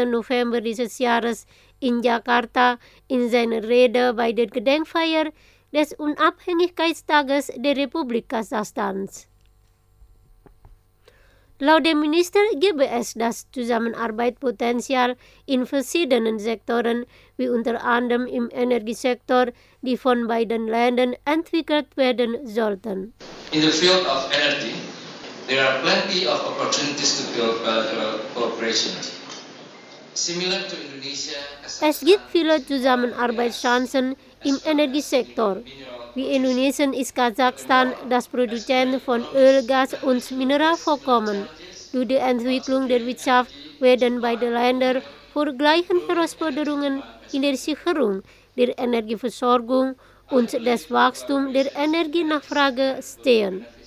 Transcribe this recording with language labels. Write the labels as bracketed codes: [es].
[de] November dieses Jahres in Jakarta in seiner Rede bei der Gedenkfeier des Unabhängigkeitstages der Republik Kasachstan. Laut dem Minister gebe es das Zusammenarbeitspotenzial in verschiedenen Sektoren, wie unter anderem im Energiesektor, die von beiden Ländern entwickelt werden sollten. [en] In the field of energy, there are plenty of opportunities to build bilateral cooperation. Similar to Indonesia, [de] es gibt viele Zusammenarbeitschancen im Energiesektor. Wie Indonesien ist Kasachstan das Produzent von Öl, Gas und Mineralvorkommen. Durch die Entwicklung der Wirtschaft werden beide Länder vor gleichen Herausforderungen in der Sicherung der Energieversorgung und des Wachstums der Energienachfrage stehen.